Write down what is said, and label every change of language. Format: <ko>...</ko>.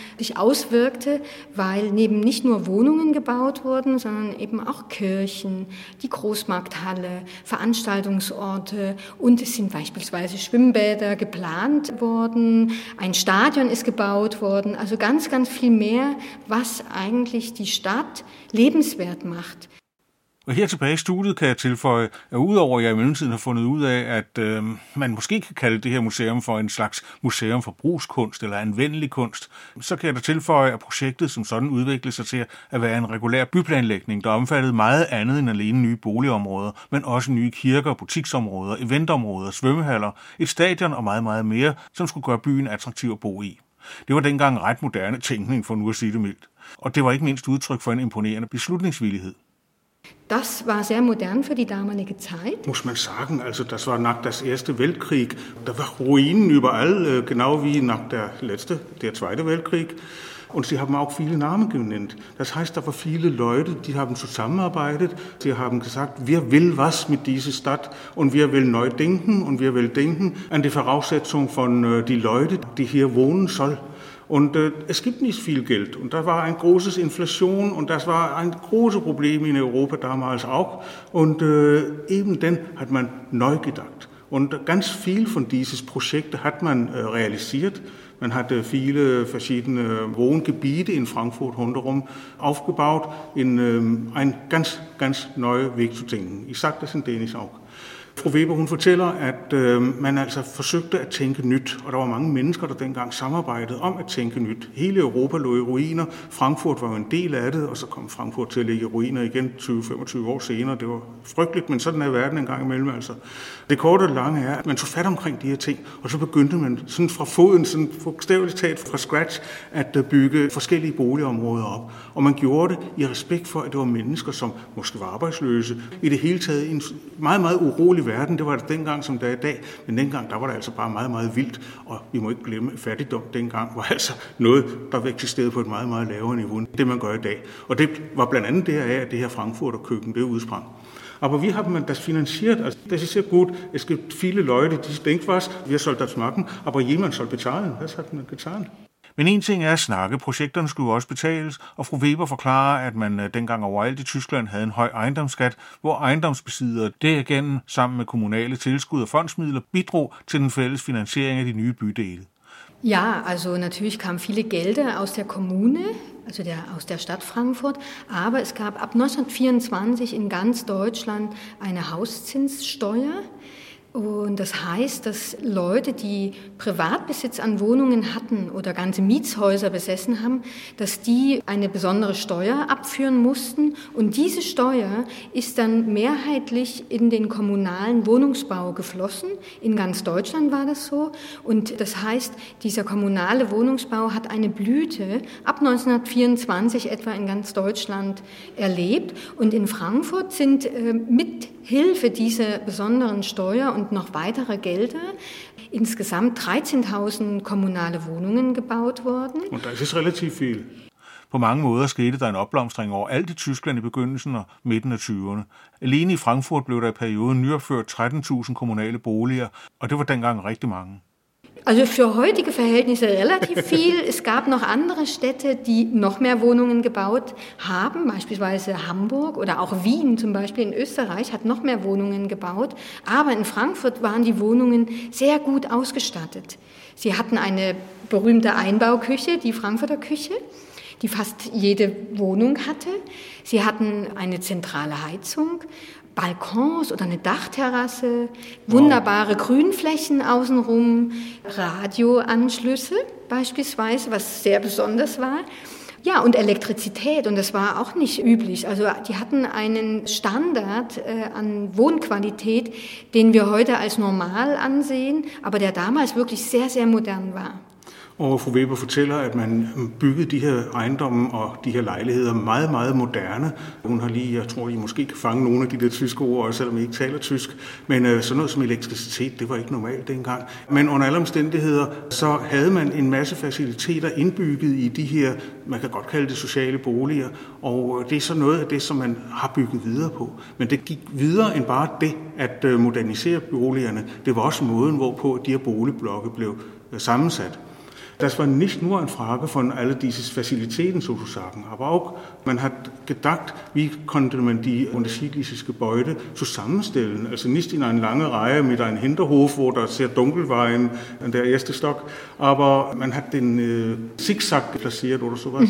<de>sich auswirkte, weil neben nicht nur Wohnungen gebaut wurden, sondern eben auch Kirchen, die Großmarkthalle, Veranstaltungsorte und es sind beispielsweise Schwimmbäder geplant worden, ein Stadion ist gebaut worden, also ganz, ganz viel mehr, was eigentlich die Stadt lebenswert macht.</de> <da>Og her tilbage i studiet kan jeg tilføje, at udover at jeg i mellemtiden har fundet ud af, at man måske kan kalde det her museum for en slags museum for brugskunst eller anvendelig kunst, så kan jeg da tilføje, at projektet som sådan udviklede sig til at være en regulær byplanlægning, der omfattede meget andet end alene nye boligområder, men også nye kirker, butiksområder, eventområder, svømmehaller, et stadion og meget, meget mere, som skulle gøre byen attraktiv at bo i. Det var dengang ret moderne tænkning, for nu at sige det mildt. Og det var ikke mindst udtryk for en imponerende beslutningsvillighed.</da> <de>Das war sehr modern für die damalige Zeit. Muss man sagen, also das war nach dem Ersten Weltkrieg. Da war Ruinen überall, genau wie nach der letzte, der Zweite Weltkrieg. Und sie haben auch viele Namen genannt. Das heißt, da war viele Leute, die haben zusammenarbeitet. Sie haben gesagt, wir will was mit dieser Stadt und wir will neu denken und wir will denken an die Voraussetzung von die Leute, die hier wohnen soll. Und es gibt nicht viel Geld und da war ein großes Inflation und das war ein großes Problem in Europa damals auch und eben dann hat man neu gedacht und ganz viel von dieses Projekt hat man realisiert. Man hatte viele verschiedene Wohngebiete in Frankfurt rundherum aufgebaut in ein ganz, ganz neuer Weg zu denken. Ich sage das in Dänisch auch.</de> <da>Fru Weber, hun fortæller, at man altså forsøgte at tænke nyt, og der var mange mennesker, der dengang samarbejdede om at tænke nyt. Hele Europa lå i ruiner, Frankfurt var jo en del af det, og så kom Frankfurt til at ligge i ruiner igen 20-25 år senere. Det var frygteligt, men sådan er verden engang imellem altså. Det korte og lange er, at man tog fat omkring de her ting, og så begyndte man sådan fra foden, sådan bogstaveligt talt fra scratch, at bygge forskellige boligområder op. Og man gjorde det i respekt for, at det var mennesker, som måske var arbejdsløse, i det hele taget en meget, meget urolig verden. Det var det dengang, som det er i dag. Men dengang, der var det altså bare meget, meget vildt. Og vi må ikke glemme, at fattigdom dengang var altså noget, der eksisterede på et meget, meget lavere niveau end det, man gør i dag. Og det var blandt andet deraf, at det her Frankfurt og køkken, det udsprang.</da> <de>Aber wie hat man das finanziert? Also, das ist ja gut. Es gibt viele Leute, die denken was, wir sollen das machen, aber jemand soll bezahlen. Was hat man getan?</de> <da>Men en ting er at snakke. Projekterne skulle jo også betales, og fru Weber forklarer, at man dengang overalt i Tyskland havde en høj ejendomsskat, hvor ejendomsbesiddere derigennem sammen med kommunale tilskud og fondsmidler bidrog til den fælles finansiering af de nye bydele.</da> <de>Ja,</de> <da>altså naturligvis kom</da> <de>viele gelder aus der kommune, also der, aus der Stadt Frankfurt, aber es gab ab 1924 in ganz Deutschland eine Hauszinssteuer. Und das heißt, dass Leute, die Privatbesitz an Wohnungen hatten oder ganze Mietshäuser besessen haben, dass die eine besondere Steuer abführen mussten. Und diese Steuer ist dann mehrheitlich in den kommunalen Wohnungsbau geflossen. In ganz Deutschland war das so. Und das heißt, dieser kommunale Wohnungsbau hat eine Blüte ab 1924 etwa in ganz Deutschland erlebt. Und in Frankfurt sind mit Hilfe dieser besonderen Steuer und noch weitere Gelder insgesamt 13.000 kommunale Wohnungen gebaut worden. Und das ist relativ viel.</de> <da>På mange måder skete der en opblomstring over alt i Tyskland i begyndelsen og midten af 20'erne. Alene i Frankfurt blev der i perioden nyopført 13.000 kommunale boliger, og det var dengang rigtig mange.</da> <de>Also für heutige Verhältnisse relativ viel. Es gab noch andere Städte, die noch mehr Wohnungen gebaut haben, beispielsweise Hamburg oder auch Wien zum Beispiel in Österreich hat noch mehr Wohnungen gebaut. Aber in Frankfurt waren die Wohnungen sehr gut ausgestattet. Sie hatten eine berühmte Einbauküche, die Frankfurter Küche, die fast jede Wohnung hatte. Sie hatten eine zentrale Heizung. Balkons oder eine Dachterrasse, wunderbare Grünflächen außenrum, Radioanschlüsse beispielsweise, was sehr besonders war. Ja, und Elektrizität, und das war auch nicht üblich. Also die hatten einen Standard an Wohnqualität, den wir heute als normal ansehen, aber der damals wirklich sehr, sehr modern war.</de> <da>Og fru Weber fortæller, at man byggede de her ejendomme og de her lejligheder meget, meget moderne. Hun har lige, jeg tror, I måske kan fange nogle af de der tyske ord, selvom I ikke taler tysk. Men sådan noget som elektricitet, det var ikke normalt dengang. Men under alle omstændigheder, så havde man en masse faciliteter indbygget i de her, man kan godt kalde det sociale boliger. Og det er så noget af det, som man har bygget videre på. Men det gik videre end bare det, at modernisere boligerne. Det var også måden, hvorpå de her boligblokke blev sammensat.</da> <de>Das war nicht nur eine Frage von all diesen Facilitäten sozusagen, aber auch man hat gedacht, wie konnte man die unterschiedlichen Gebäude zusammenstellen. Also nicht in eine lange Reihe mit einem Hinterhof, wo das sehr dunkel war in der ersten Stock, aber man hat den Zickzack platziert oder sowas.</de>